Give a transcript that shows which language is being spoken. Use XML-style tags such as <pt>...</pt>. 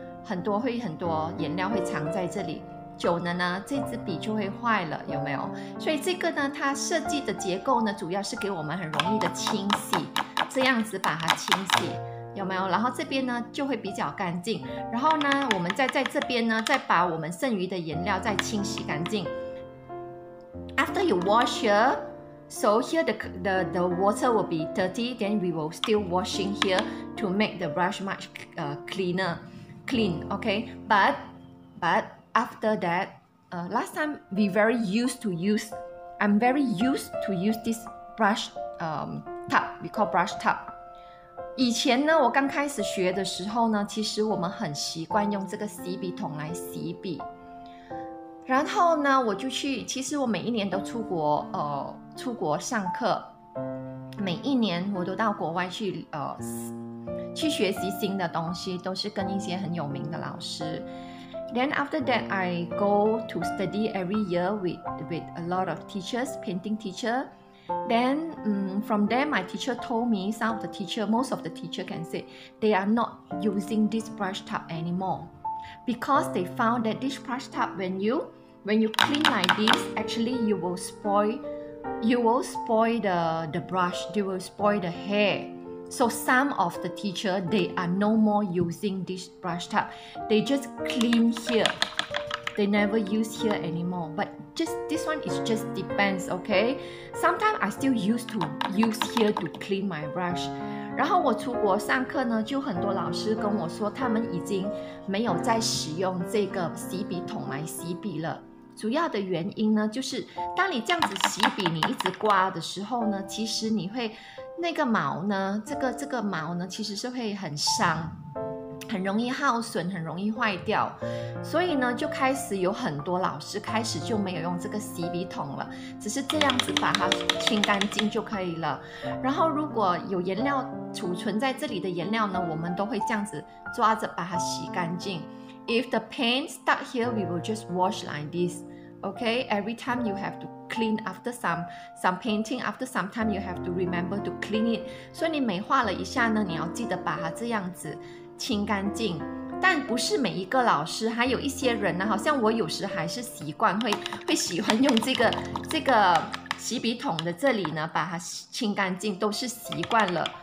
<zh>很多颜料会藏在这里，久了呢，这支笔就会坏了，有没有？所以这个呢，它设计的结构呢，主要是给我们很容易的清洗，这样子把它清洗。有没有？然后这边呢就会比较干净，然后呢我们再在这边呢再把我们剩余的颜料再清洗干净。</zh> <en>After you wash here, so here the water will be dirty, then we will still washing here to make the brush much cleaner, clean, okay? But after that, last time we very used to use, I'm very used to use this brush tub, we call brush tub.</en> <zh>以前呢，我刚开始学的时候呢，其实我们很习惯用这个洗笔筒来洗笔。然后呢，我就去，其实我每一年都出国上课，每一年我都到国外去学习新的东西，都是跟一些很有名的老师。</zh> <en>Then after that, I go to study every year with a lot of teachers, painting teacher. Then, from there, my teacher told me, most of the teacher can say, they are not using this brush tub anymore. Because they found that this brush tub, when you clean like this, actually you will spoil the brush, you will spoil the hair. So some of the teacher, they are no more using this brush tub. They just clean here. They never use here anymore. But,Just this one is just depends, okay? Sometimes I still used to use here to clean my brush.</en> <zh>然后我出国上课呢，就很多老师跟我说，他们已经没有再使用这个洗笔筒来洗笔了。主要的原因呢，就是当你这样子洗笔，你一直刮的时候呢，其实你会那个毛呢，这个毛呢，其实是会很伤。很容易耗损，很容易坏掉，所以呢就开始有很多老师开始就没有用这个洗笔筒了，只是这样子把它清干净就可以了。然后如果有颜料储存在这里的颜料呢，我们都会这样子抓着把它洗干净。</zh> <en>If the paint stuck here, we will just wash like this. Okay, every time you have toclean after some painting, after some time you have to remember to clean it.</en> <zh>所以你每画了一下呢，你要记得把它这样子清干净。但不是每一个老师，还有一些人呢，好像我有时还是习惯 会喜欢用这个洗笔筒的这里呢把它清干净，都是习惯了。</zh>